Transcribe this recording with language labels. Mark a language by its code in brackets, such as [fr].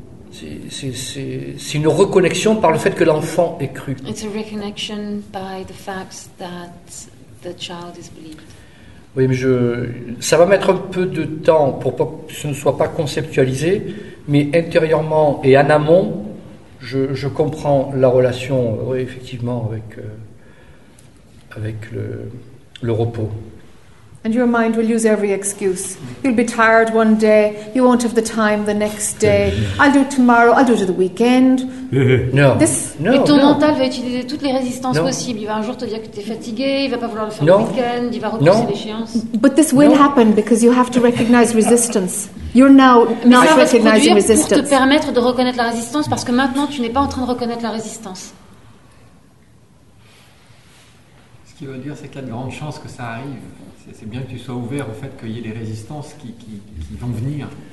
[fr] C'est une reconnexion par le fait que l'enfant est cru. [en] It's a reconnection by the fact that the child is believed. [fr] Oui, mais ça va mettre un peu de temps pour que ce ne soit pas conceptualisé, mais intérieurement et en amont, je comprends la relation, oui, effectivement, avec le repos. [en] And your mind will use every excuse. You'll be tired one day, you won't have the time the next day. I'll do it tomorrow, I'll do it at the weekend. [fr] Mental va utiliser toutes les résistances possibles. Il va un jour te dire que tu es fatigué, il va pas vouloir le faire le week-end, il va repousser l'échéance. [en] But this will happen because you have to recognize resistance. You're now not recognizing resistance. [fr] Pour te permettre de reconnaître la résistance parce que maintenant tu n'es pas en train de reconnaître la résistance. Ce qu'il veut dire, c'est qu'il y a de grandes chances que ça arrive. C'est bien que tu sois ouvert au fait qu'il y ait des résistances qui vont venir.